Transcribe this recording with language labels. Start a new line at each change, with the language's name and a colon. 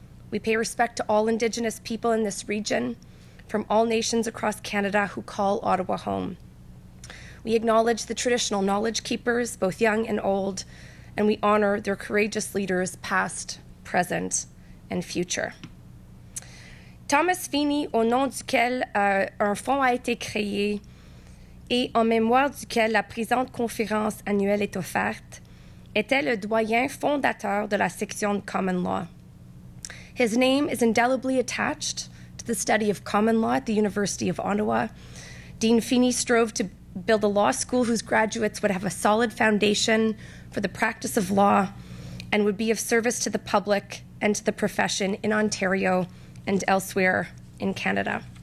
English: We pay respect to all Indigenous people in this region, from all nations across Canada who call Ottawa home. We acknowledge the traditional knowledge keepers, both young and old, and we honor their courageous leaders, past, present, and future.
French: Thomas Feeney, au nom duquel un fonds a été créé, et en mémoire duquel la présente conférence annuelle est offerte, était le doyen fondateur de la section de Common Law.
English: His name is indelibly attached to the study of Common Law at the University of Ottawa. Dean Feeney strove to build a law school whose graduates would have a solid foundation for the practice of law and would be of service to the public and to the profession in Ontario and elsewhere in Canada.